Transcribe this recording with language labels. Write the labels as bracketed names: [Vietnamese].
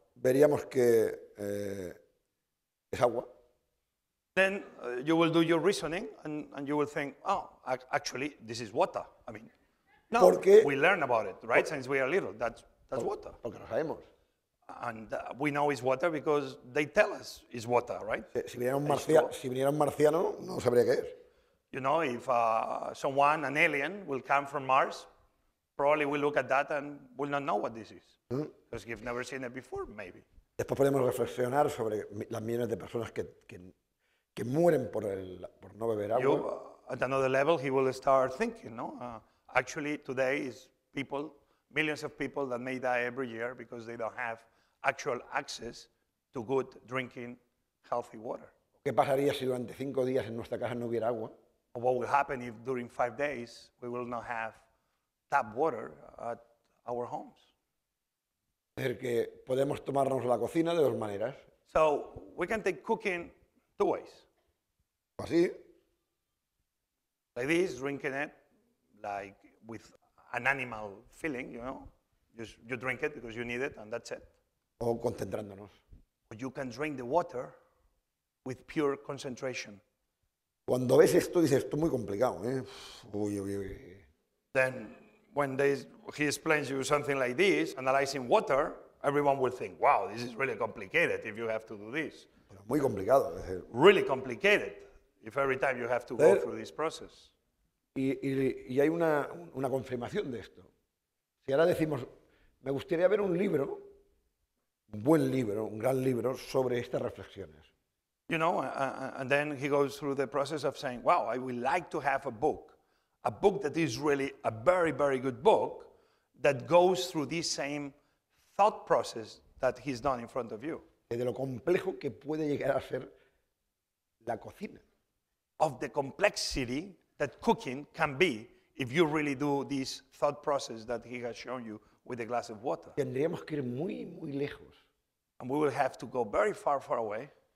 [Spanish] Veríamos que es agua. [English] Then you will do your reasoning and you will think, oh, actually, this is water. I mean, no, [Spanish] porque [English] we learn about it, right? Since we are little, that's water. [Spanish] Porque lo sabemos. [English] And we know it's water because they tell us it's water, right? [Spanish] Si viniera un marciano, no sabría qué es. [English] You know, if someone, an alien, will come from Mars, probably we'll look at that and will not know what this is. Because you've never seen it before, maybe. [Spanish] Después podemos reflexionar sobre las millones de personas que mueren por no beber agua. [English] At another level, he will start thinking, no? Actually, today is people, millions of people that may die every year because they don't have actual access to good drinking, healthy water. [Spanish] ¿Qué pasaría si durante 5 días en nuestra casa no hubiera agua? [English] What will happen if during 5 days we will not have tap water at our homes? [Spanish] Es decir, que podemos tomarnos la cocina de dos maneras. [English] So we can take cooking two ways. [Spanish] Así. [English] Like this, drinking it like with an animal feeling, you know, you drink it because you need it and that's it. [Spanish] O concentrándonos. [English] But you can drink the water with pure concentration. [Spanish] Cuando ves esto, dices, esto es muy complicado, ¿eh? Uy, uy, uy. [English] Then when he explains you something like this, analyzing water, everyone will think, wow, this is really complicated if you have to do this. [Spanish] Pero muy complicado. [English] Really complicated if every time you have to go through this process. [Spanish] Y hay una confirmación de esto. Si ahora decimos, me gustaría ver un libro, un buen libro, un gran libro, sobre estas reflexiones. [English] You know, and then he goes through the process of saying, wow, I would like to have a book that is really a very, very good book that goes through this same thought process that he's done in front of you. [Spanish] De lo complejo que puede llegar a ser la cocina. [English] Of the complexity that cooking can be if you really do this thought process that he has shown you with a glass of water. [Spanish] Tendríamos que ir muy, muy lejos. [English] And we will have to go very far, far away.